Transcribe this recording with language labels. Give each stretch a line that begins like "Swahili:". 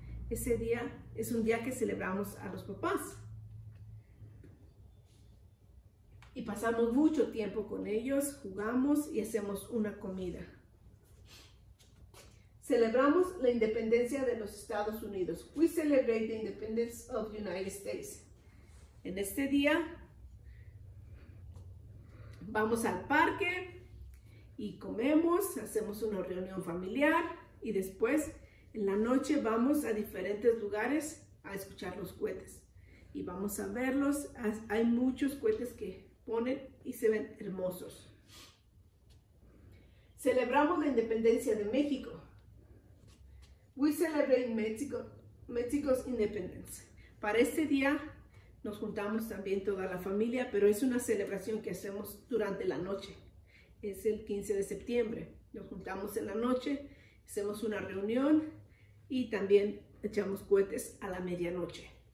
Spanish: Ese día es un día que celebramos a los papás. Y pasamos mucho tiempo con ellos, jugamos y hacemos una comida. Celebramos la independencia de los Estados Unidos.
English: We celebrate the independence of the United States.
Spanish: En este día vamos al parque y comemos, hacemos una reunión familiar y después en la noche vamos a diferentes lugares a escuchar los cohetes y vamos a verlos. Hay muchos cohetes que ponen y se ven hermosos. Celebramos la independencia de México.
English: We celebrate Mexico's independence.
Spanish: Para este día nos juntamos también toda la familia, pero es una celebración que hacemos durante la noche. Es el 15 de septiembre. Nos juntamos en la noche, hacemos una reunión y también echamos cohetes a la medianoche.